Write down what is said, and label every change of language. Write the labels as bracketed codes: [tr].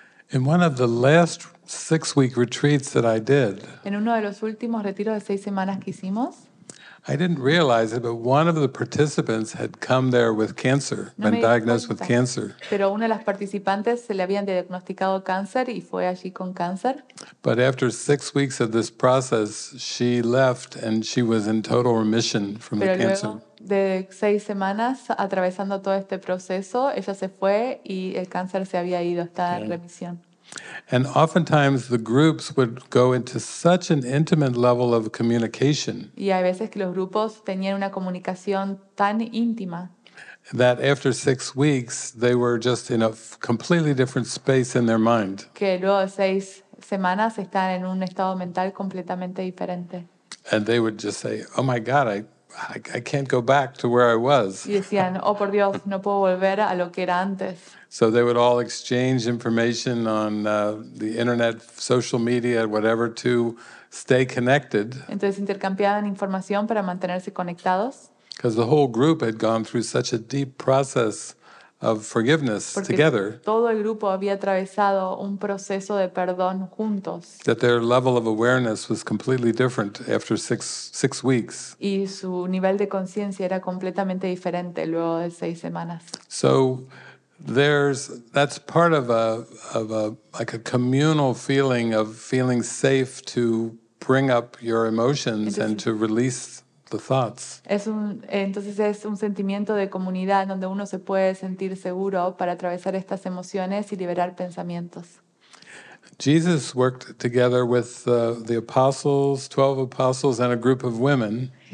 [en] In one of the last 6-week retreats that I did, [es] en uno de los últimos retiros de 6 semanas que hicimos, [en] I didn't realize it, but one of the participants had come there with cancer, been diagnosed with cancer. [es] Pero una de las participantes se le habían diagnosticado cáncer y fue allí con cáncer. [en] But after 6 weeks of this process, she left and she was in total remission from the cancer. [es] Pero luego de 6 semanas atravesando todo este proceso, ella se fue y el cáncer se había ido, está en remisión. [en] And oftentimes the groups would go into such an intimate level of communication. [es] Y hay veces que los grupos tenían una comunicación tan íntima. [en] That after 6 weeks they were just in a completely different space in their mind. [es] Que luego de 6 semanas están en un estado mental completamente diferente. [en] And they would just say, "Oh my God, I can't go back to where I was." [es] Y decían, "Oh por Dios, no puedo volver a lo que era antes." [en] So they would all exchange information on the internet, social media, whatever, to stay connected. [es] Entonces intercambiaban información para mantenerse conectados. [en] Because the whole group had gone through such a deep process of forgiveness [es] porque [en] together. [es] Todo el grupo había atravesado un proceso de perdón juntos. [en] That their level of awareness was completely different after six weeks. [es] Y su nivel de conciencia era completamente diferente luego de 6 semanas. [en] So that's part of a like a communal feeling of feeling safe to bring up your emotions [es] entonces, [en] and to release the thoughts. [es] Es un sentimiento de comunidad donde uno se puede sentir seguro para atravesar estas emociones y liberar pensamientos. [en] Jesus worked together with the apostles, 12 apostles and a group of women.